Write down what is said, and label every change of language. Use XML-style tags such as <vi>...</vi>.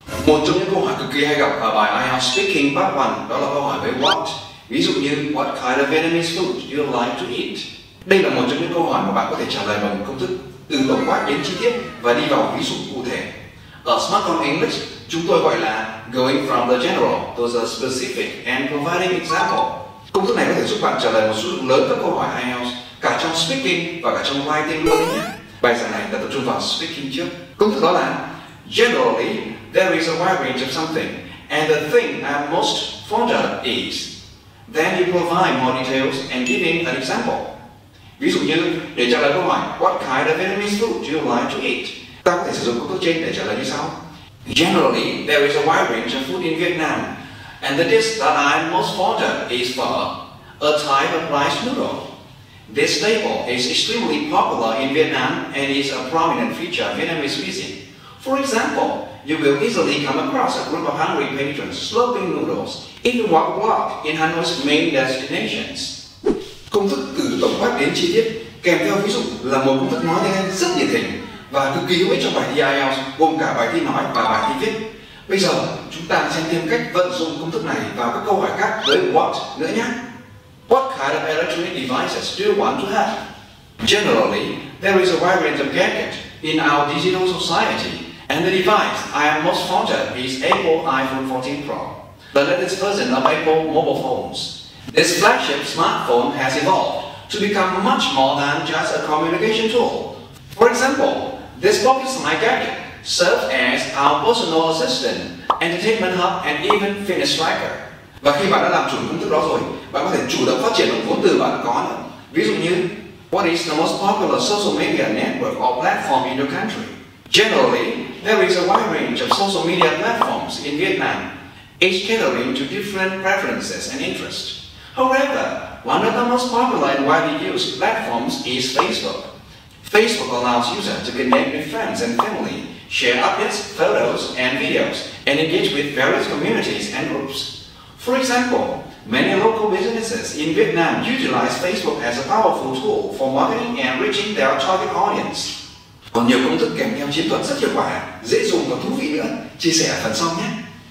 <vi>Một trong những câu hỏi cực kỳ hay gặp ở bài IELTS Speaking Part 1 đó là câu hỏi về what. Ví dụ như</vi> <en>what kind of Vietnamese food do you like to eat?</en> <vi>Đây là một trong những câu hỏi mà bạn có thể trả lời bằng công thức từ tổng quát đến chi tiết và đi vào ví dụ cụ thể. Ở Smartcom English, chúng tôi gọi là</vi> <en>going from the general to the specific and providing example.</en> <vi>Công thức này có thể giúp bạn trả lời một số lượng lớn các câu hỏi IELTS cả trong speaking và cả trong writing luôn nhé. Bài giảng này đã tập trung vào speaking trước. Công thức đó là</vi> <en>generally, there is a wide range of something, and the thing I'm most fond of is. Then you provide more details and giving an example.</en> <vi>Ví dụ như, để trả lời câu hỏi,</vi> <en>what kind of Vietnamese food do you like to eat?</en> <vi>Ta có thể sử dụng công thức trên để trả lời như sau.</vi> <en>Generally, there is a wide range of food in Vietnam, and the dish that I'm most fond of is pho, a type of rice noodle. This staple is extremely popular in Vietnam and is a prominent feature of Vietnamese cuisine. For example, you will easily come across a group of hungry patrons slurping noodles if you walk a block in Hanoi's main destinations.</en> <vi>Công thức từ tổng quát đến chi tiết kèm theo ví dụ là một công thức nói tiếng Anh rất nhiệt tình và cực kỳ hữu ích trong bài thi IELTS, gồm cả bài thi nói và bài thi viết. Bây giờ, chúng ta xem thêm cách vận dụng công thức này vào các câu hỏi khác với what nữa nhé.</vi> <en>What kind of electronic devices do you want to have? Generally, there is a wide range of gadgets in our digital society, and the device I am most fond of is Apple iPhone 14 Pro, the latest version of Apple mobile phones. This flagship smartphone has evolved to become much more than just a communication tool. For example, this pocket smart gadget serves as our personal assistant, entertainment hub, and even fitness tracker.</en> <vi>Và khi bạn đã làm chủ công thức đó rồi, bạn có thể chủ động phát triển được vốn từ bạn có nữa. Ví dụ như,</vi> <en>what is the most popular social media network or platform in your country? Generally, there is a wide range of social media platforms in Vietnam, each catering to different preferences and interests. However, one of the most popular and widely used platforms is Facebook. Facebook allows users to connect with friends and family, share updates, photos, and videos, and engage with various communities and groups. For example, many local businesses in Vietnam utilize Facebook as a powerful tool for marketing and reaching their target audience.</en> <vi>Còn nhiều công thức kèm theo chiến thuật rất hiệu quả, dễ dùng và thú vị nữa. Chia sẻ ở phần sau nhé.</vi>